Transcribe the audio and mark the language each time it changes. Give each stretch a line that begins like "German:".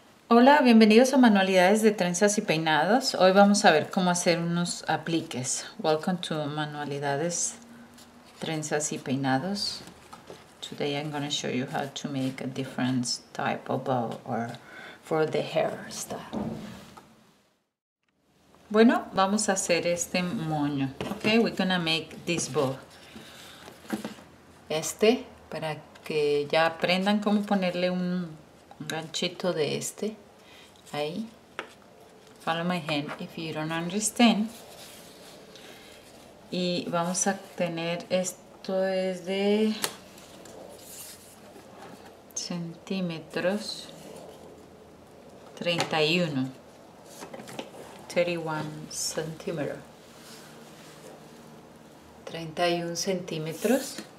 Spanish: Hola, bienvenidos a Manualidades de Trenzas y Peinados. Hoy vamos a ver cómo hacer unos apliques.
English: Welcome to Manualidades, Trenzas y Peinados. Today I'm going to show you how to make a different type of bow or for the hairstyle.
Spanish: Bueno, vamos a hacer este moño.
English: Okay, we're going to make this bow.
Spanish: Este, para que ya aprendan cómo ponerle un ganchito de este ahí.
English: Follow my hand if you don't understand.
Spanish: Y vamos a tener, esto es de centímetros 31 centímetros 31 centímetros